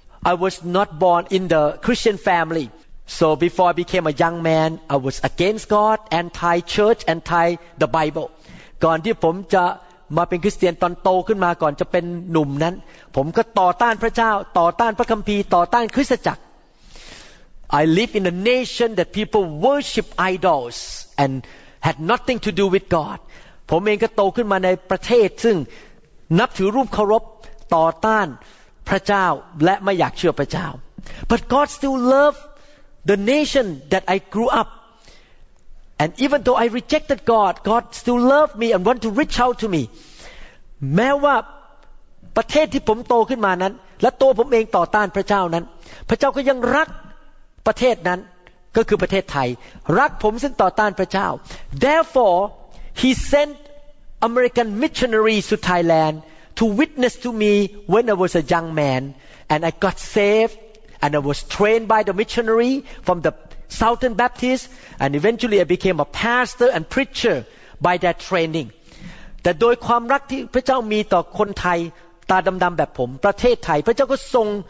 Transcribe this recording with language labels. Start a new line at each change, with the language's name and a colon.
English: I was not born in the Christian family so before I became a young man I was against God anti church anti the Bible
Thai: ก่อนที่ผมจะมาเป็นคริสเตียนตอนโตขึ้นมาก่อนจะเป็นหนุ่มนั้นผมก็ต่อต้านพระเจ้าต่อต้านพระคัมภีร์ต่อต้านคริสตจักร
English: I live in a nation that people worship idols and had nothing to do with God.
Thai: ผมเองก็โตขึ้นมาในประเทศซึ่งนับถือรูปเคารพต่อต้านพระเจ้าและไม่อยากเชื่อพระเจ้า
English: But God still loved the nation that I grew up. And even though I rejected God, God still loved me and wanted to reach out to me.
Thai: แม้ว่าประเทศที่ผมโตขึ้นมานั้นและตัวผมเองต่อต้านพระเจ้านั้นพระเจ้าก็ยังรักประเทศนั้นก็คือประเทศไทยรักผมซึ่งต่อต้านพระเจ้า
English: Therefore he sent American missionaries to Thailand to witness to me when I was a young man and I got saved and I was trained by the missionary from the Southern Baptist and eventually I became a pastor and preacher by that training
Thai: แต่โดยความรักที่พระเจ้ามีต่อคนไทยตาดำๆแบบผมประเทศไทยพระเจ้าก็ส่ง